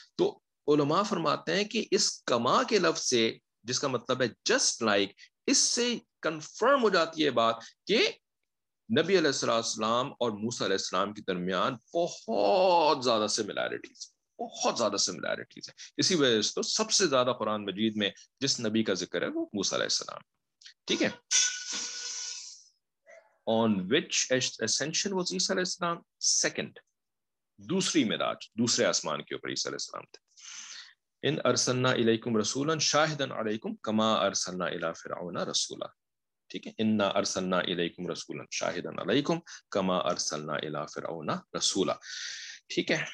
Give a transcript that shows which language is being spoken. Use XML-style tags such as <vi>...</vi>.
<ur>تو علماء فرماتے ہیں کہ اس کما کے لفظ سے جس کا مطلب ہے جسٹ لائک, اس سے کنفرم ہو جاتی ہے بات کہ نبی علیہ السلام اور موسیٰ علیہ السلام کے درمیان بہت زیادہ سملیرٹیز, بہت زیادہ سملیرٹیز ہیں. اسی وجہ سے تو سب سے زیادہ قرآن مجید میں جس نبی کا ذکر ہے وہ موسیٰ علیہ السلام, ٹھیک ہے.</ur> <en>On which ascension was Isa علیہ السلام?</en> <ur>Second, دوسری معراج, دوسرے آسمان کے اوپر عیسیٰ علیہ السلام تھے.</ur> <ar>ان ارسلنا الیکم رسولا شاہدا علیکم کما ارسلنا الی فرعون رسولا,</ar> <ur>ٹھیک ہے.</ur> <ar>انا ارسلنا الیکم رسولا شاہدا علیکم کما ارسلنا الی فرعون رسولا,</ar> <ur>ٹھیک ہے.</ur>